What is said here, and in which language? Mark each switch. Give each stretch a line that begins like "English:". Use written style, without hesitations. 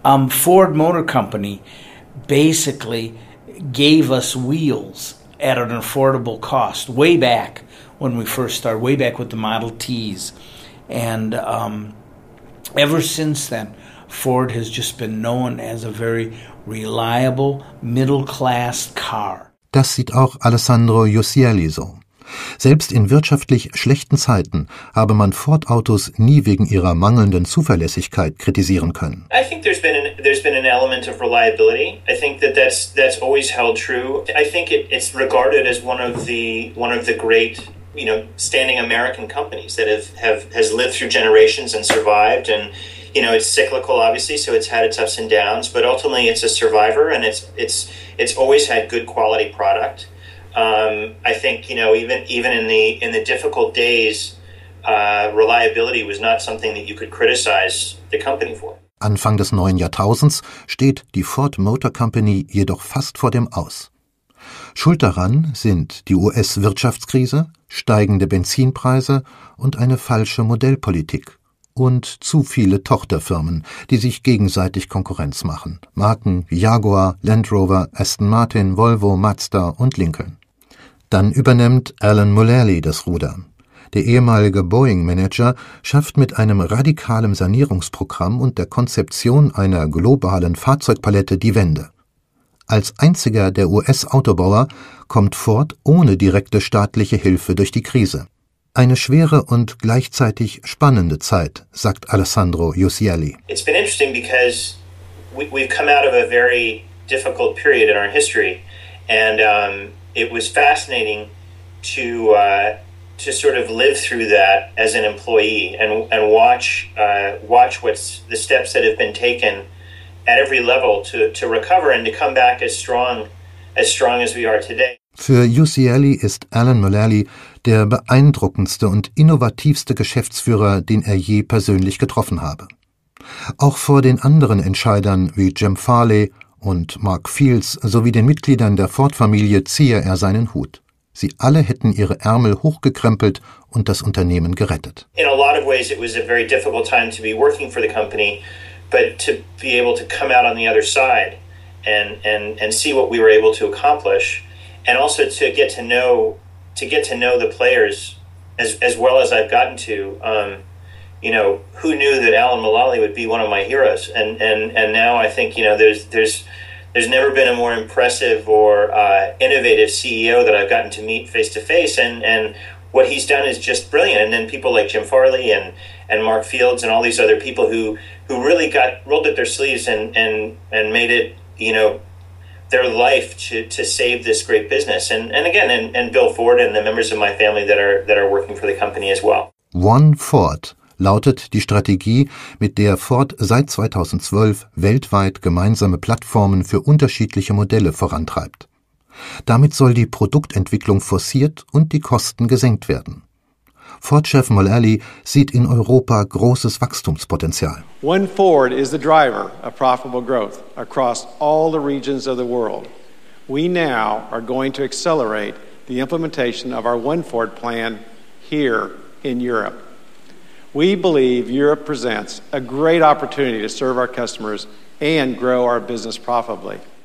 English: Ford Motor Company basically gave us wheels at an affordable cost way back when we first started, way back with the Model Ts. And ever since then, Ford has just been known as a very reliable, middle-class car.
German: Das sieht auch Alessandro Uccielli so. Selbst in wirtschaftlich schlechten Zeiten habe man Ford-Autos nie wegen ihrer mangelnden Zuverlässigkeit kritisieren können.
English: I think there's been an element of reliability. I think that's always held true. I think it's regarded as one of the great, you know, standing American companies that has lived through generations and survived. And you know, it's cyclical, obviously, so it's had its ups and downs, but ultimately it's a survivor and it's always had good quality product. I think, you know, even in the difficult days, reliability was not something that you could criticize the company for.
German: Anfang des neuen Jahrtausends steht die Ford Motor Company jedoch fast vor dem Aus. Schuld daran sind die US-Wirtschaftskrise, steigende Benzinpreise und eine falsche Modellpolitik und zu viele Tochterfirmen, die sich gegenseitig Konkurrenz machen. Marken wie Jaguar, Land Rover, Aston Martin, Volvo, Mazda und Lincoln. Dann übernimmt Alan Mulally das Ruder. Der ehemalige Boeing-Manager schafft mit einem radikalen Sanierungsprogramm und der Konzeption einer globalen Fahrzeugpalette die Wende. Als einziger der US-Autobauer kommt Ford ohne direkte staatliche Hilfe durch die Krise. Eine schwere und gleichzeitig spannende Zeit, sagt Alessandro Iusielli.
English: It's been interesting because we've come out of a very difficult period in our history and it was fascinating to sort of live through that as an employee and watch what's the steps that have been taken at every level to recover and to come back as strong as we are today.
German: Für Iusielli ist Alan Mulally der beeindruckendste und innovativste Geschäftsführer, den er je persönlich getroffen habe. Auch vor den anderen Entscheidern wie Jim Farley und Mark Fields sowie den Mitgliedern der Ford-Familie ziehe er seinen Hut. Sie alle hätten ihre Ärmel hochgekrempelt und das Unternehmen gerettet.
English: In a lot of ways it was a very difficult time to be working for the company, but to be able to come out on the other side and see what we were able to accomplish and also to get to know the players as well as I've gotten to, you know, who knew that Alan Mulally would be one of my heroes, and now I think, you know, there's never been a more impressive or innovative CEO that I've gotten to meet face to face, and what he's done is just brilliant. And then people like Jim Farley and Mark Fields and all these other people who really got rolled up their sleeves and made it, you know, their life to save this great business. And again, Bill Ford and the members of my family that are working for the company as well.
German: One Ford lautet die Strategie, mit der Ford seit 2012 weltweit gemeinsame Plattformen für unterschiedliche Modelle vorantreibt. Damit soll die Produktentwicklung forciert und die Kosten gesenkt werden. Ford-Chef Mulally sieht in Europa großes Wachstumspotenzial.
English: One Ford is the driver of profitable growth across all the regions of the world. We now are going to accelerate the implementation of our One Ford plan here in Europe. We believe Europe presents a great opportunity to serve our customers and grow our business profitably.